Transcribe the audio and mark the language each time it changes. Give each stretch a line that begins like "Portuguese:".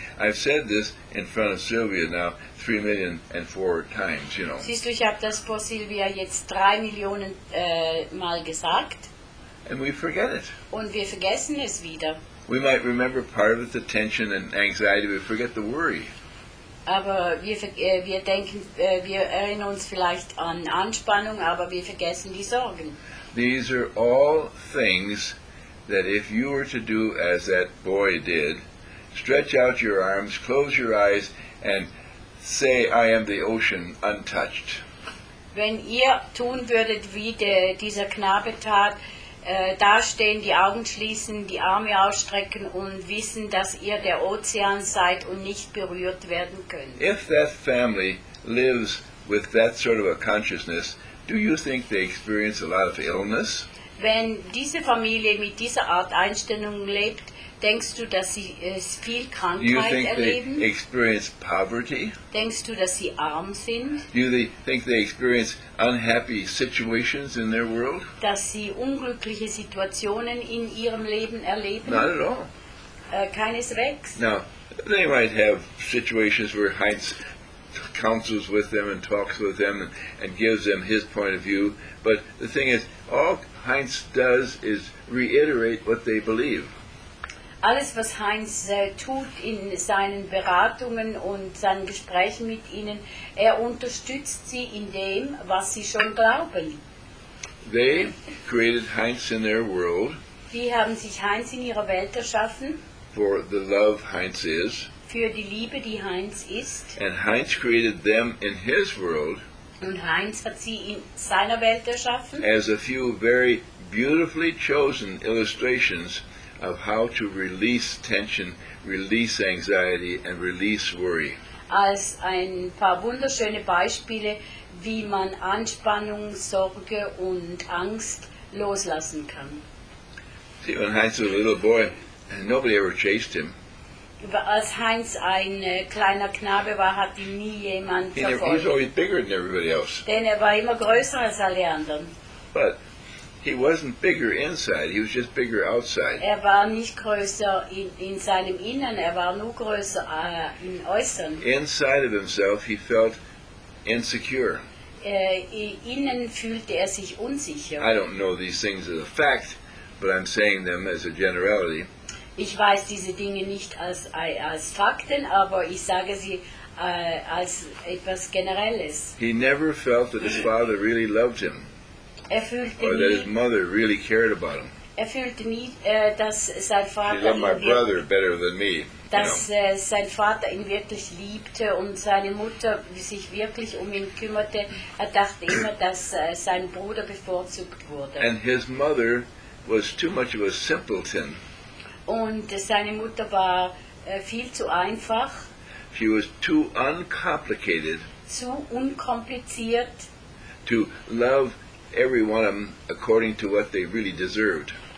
English: I've said this in front of Sylvia now 3,000,004 times, you know.
German: Siehst du, ich habe das vor Sylvia jetzt 3 Millionen Mal gesagt.
English: And we forget it.
German: Und wir vergessen es wieder.
English: We might remember part of it, the tension and anxiety, but forget the worry.
German: Aber wir erinnern uns vielleicht an Anspannung, aber wir vergessen die Sorgen.
English: These are all things that if you were to do as that boy did, stretch out your arms, close your eyes, and say, I am the ocean, untouched.
German: Wenn ihr tun würdet, wie dieser Knabe tat, dastehen, die Augen schließen, die Arme ausstrecken und wissen, dass ihr der Ozean seid und nicht berührt werden könnt.
English: If that family lives with that sort of a consciousness, do you think they experience a lot of illness?
German: Wenn diese Familie mit dieser Art Einstellung lebt, denkst du, dass sie viel Krankheit erleben?
English: Do you think
German: erleben?
English: They experience poverty?
German: Denkst du, dass sie arm sind?
English: Do you think they experience unhappy situations in their world?
German: Dass sie unglückliche Situationen in ihrem Leben erleben?
English: Not at all.
German: Keineswegs.
English: Now, they might have situations where Heinz counsels with them and talks with them and gives them his point of view. But the thing is, all Heinz does is reiterate what they believe.
German: Alles, was Heinz tut in seinen Beratungen und seinen Gesprächen mit ihnen, er unterstützt sie in dem, was sie schon glauben.
English: They created Heinz in their world.
German: Die haben sich Heinz in ihrer Welt erschaffen.
English: For the love Heinz is.
German: Für die Liebe, die Heinz ist.
English: And Heinz created them in his world.
German: Und Heinz hat sie in seiner Welt erschaffen.
English: As a few very beautifully chosen illustrations of how to release tension, release anxiety, and release worry.
German: Als ein paar wunderschöne Beispiele, wie man Anspannung, Sorge und Angst loslassen kann.
English: See, when Heinz was a little boy, nobody ever chased him.
German: Als Heinz ein kleiner Knabe war, hat ihn nie jemand verfolgt.
English: He was always bigger than everybody else.
German: Denn er war immer größer als alle anderen.
English: But he wasn't bigger inside, he was just bigger outside.
German: Er war nicht größer in seinem Innern, er war nur größer im Äußeren.
English: Inside of himself he felt insecure.
German: Innen fühlte er sich unsicher.
English: I don't know these things as a fact, but I'm saying them as a generality.
German: Ich weiß diese Dinge nicht als Fakten, aber ich sage sie als etwas Generelles.
English: He never felt that his father really loved him. Or that his mother really cared about him.
German: Er fühlte nie, dass sein Vater
English: he loved my brother better than me.
German: Dass sein Vater ihn wirklich liebte und seine Mutter sich wirklich um ihn kümmerte. Er dachte immer, dass sein Bruder bevorzugt wurde.
English: And his mother was too much of a simpleton.
German: Und seine Mutter war viel zu einfach.
English: She was too uncomplicated.
German: Zu unkompliziert.
English: To love every one of them according to what they really deserved.